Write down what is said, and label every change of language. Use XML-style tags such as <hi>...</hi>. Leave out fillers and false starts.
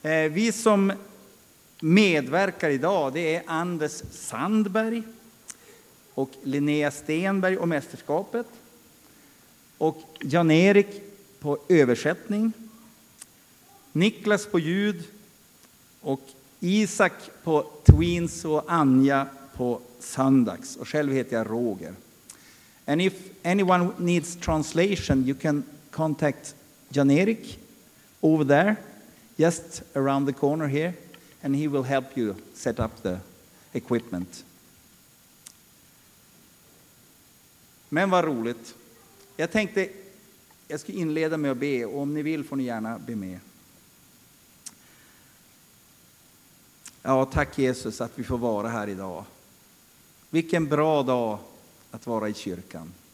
<sv>Vi som medverkar idag, det är Anders Sandberg och Linnea Stenberg och mästerskapet. Och Jan-Erik på översättning. Niklas på ljud. Och Isak på Twins och Anja på söndags. Och själv heter jag Roger.</sv> <en>And if anyone needs translation, you can contact Jan-Erik over there, just around the corner here, and he will help you set up the equipment.</en> <sv>Men vad roligt. Jag tänkte, jag ska inleda med att be, och om ni vill får ni gärna be med. Ja, tack Jesus att vi får vara här idag. Vilken bra dag att vara i kyrkan.</sv>